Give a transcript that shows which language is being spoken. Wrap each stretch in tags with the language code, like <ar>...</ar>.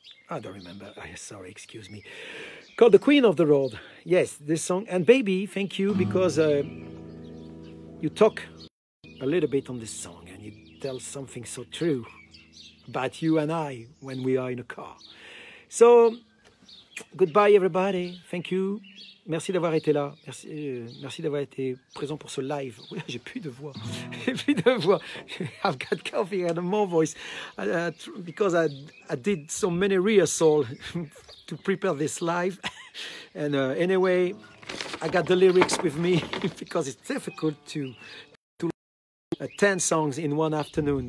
<en>I don't remember. Sorry, excuse me. Called The Queen of the Road. Yes, this song. And baby, thank you because you talk a little bit on this song and you tell something so true about you and I when we are in a car. So, goodbye everybody. Thank you.</en> <fr>Merci d'avoir été là. Merci, merci d'avoir été présent pour ce live. Oula, j'ai plus de voix.</fr> <en>I've got coffee and a more voice because I did so many rehearsals to prepare this live. And anyway, I got the lyrics with me because it's difficult to 10 songs in one afternoon.</en>